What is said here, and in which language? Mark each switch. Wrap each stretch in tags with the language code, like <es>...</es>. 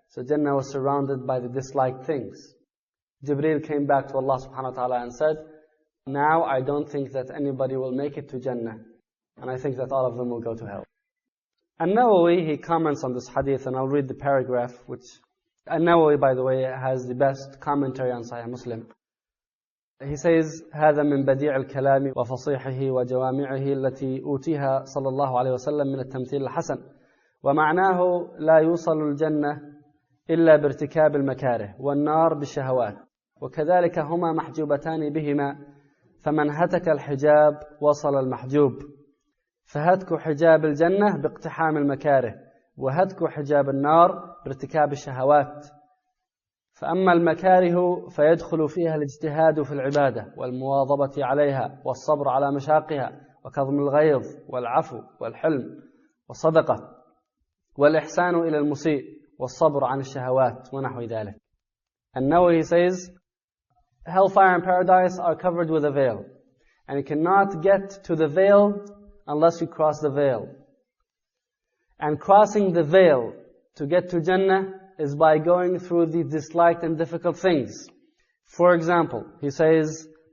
<en>So Jannah was surrounded by the disliked things. Jibreel came back to Allah subhanahu wa ta'ala and said, now I don't think that anybody will make it to Jannah. And I think that all of them will go to hell. And Nawawi, he comments on this hadith, and I'll read the paragraph, which Nawawi, by the way, has the best commentary on Sahih Muslim. He says,</en> <ar>هذا من بديع الكلام وفصيحه وجوامعه التي أوتيها صلى الله عليه وسلم من التمثيل الحسن ومعناه لا يوصل الجنة إلا بارتكاب المكاره والنار بالشهوات وكذلك هما محجوبتان بهما فمن هتك الحجاب وصل المحجوب فهتك حجاب الجنة باقتحام المكاره وهتك حجاب النار بارتكاب الشهوات فأما المكاره فيدخل فيها الاجتهاد في العبادة والمواظبة عليها والصبر على مشاقها وكظم الغيظ والعفو والحلم والصدقة والإحسان إلى المسيء والصبر عن الشهوات ونحو ذلك.</ar> <en>And Nawawi says, hellfire and paradise are covered with a veil, and you cannot get to the veil unless you cross the veil. And crossing the veil to get to Jannah is by going through the disliked and difficult things. For example, he says,</en>